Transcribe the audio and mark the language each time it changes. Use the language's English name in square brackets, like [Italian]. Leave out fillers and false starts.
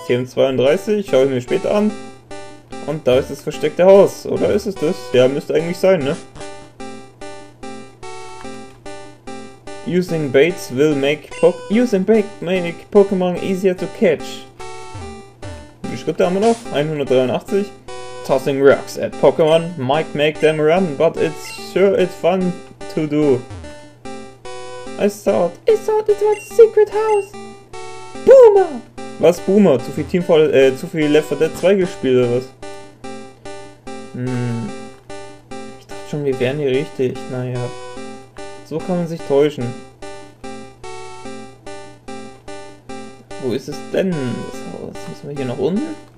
[German] TM32, schaue ich mir später an. Und da ist das versteckte Haus. Oder ist es das? Ja, müsste eigentlich sein, ne? [English] Using baits will make Pokémon easier to catch. [German] Wie viele Schritte haben wir noch? 183. [English] Tossing rocks at Pokémon might make them run, but it's fun to do. I thought it was a secret house. [German] Boomer! Was Boomer? Zu viel zu viel Left 4 Dead 2 gespielt oder was? Ich dachte schon, wir wären hier richtig. Naja. So kann man sich täuschen. Wo ist es denn? Das Haus? Müssen wir hier nach unten?